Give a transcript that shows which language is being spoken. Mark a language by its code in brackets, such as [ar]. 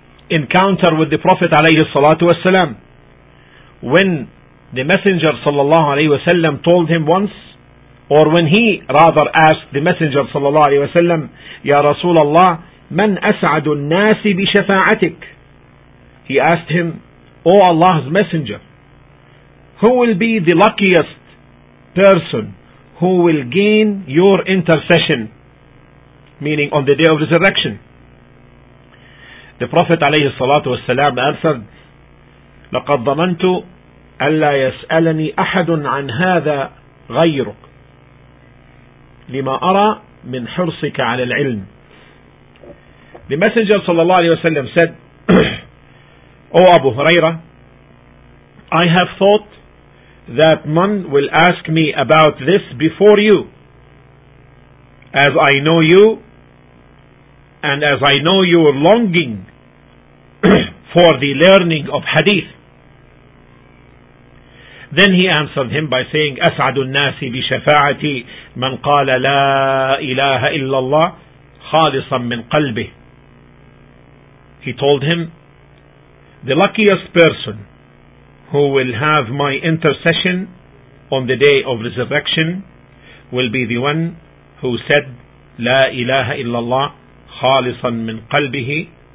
[en] encounter with the Prophet alayhi salatu wasalam, when the Messenger sallallahu alayhi wasallam told him once, or when he rather asked the Messenger sallallahu alayhi wasallam, Ya Rasulallah, [ar] من أسعد الناس بشفاعتك? [en] He asked him, O Allah's Messenger, who will be the luckiest person who will gain your intercession? Meaning on the day of resurrection. The Prophet [ar] عليه الصلاة والسلام [en] answered, [ar] لقد ضمنت ألا يسألني أحد عن هذا غيرك لما أرى من حرصك على العلم. [en] The Messenger sallallahu alayhi wa sallam said, O Abu Huraira, I have thought that none will ask me about this before you, as I know you and as I know your longing for the learning of hadith. Then he answered him by saying, [ar] أسعد الناس بشفاعتي من قال لا إله إلا الله خالصا من قلبه. [en] He told him, the luckiest person who will have my intercession on the day of resurrection will be the one who said, [ar] لا إله إلا الله خالصا من قلبه.